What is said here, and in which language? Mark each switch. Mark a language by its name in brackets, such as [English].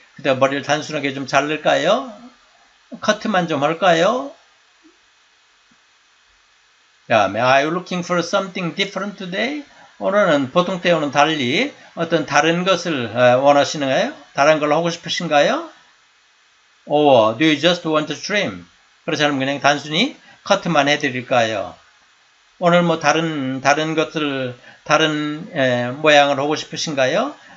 [Korean] 그때 머리를 단순하게 좀 자를까요? 커트만 좀 할까요? 다음에 [English] Are you looking for something different today? [Korean] 오늘은 보통 때와는 달리 어떤 다른 것을 원하시는가요? 다른 걸 하고 싶으신가요? [English] Or do you just want to trim? [Korean] 그렇지 않으면 그냥 단순히 커트만 해드릴까요? 오늘 뭐 다른 것들, 다른 모양을 하고 싶으신가요?